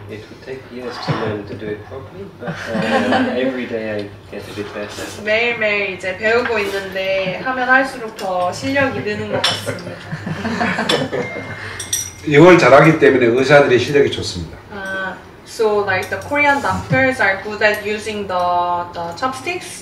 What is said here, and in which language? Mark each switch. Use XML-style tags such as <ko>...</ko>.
<en>It would take years to learn to do it properly, but every day I get a bit better.</en> <ko>매일매일 이제 배우고 있는데 하면 할수록 더 실력이 느는 것 같습니다. 이걸 잘하기 때문에 의사들이 실력이 좋습니다.</ko> <en>So like the Korean doctors are good at using the chopsticks.</en>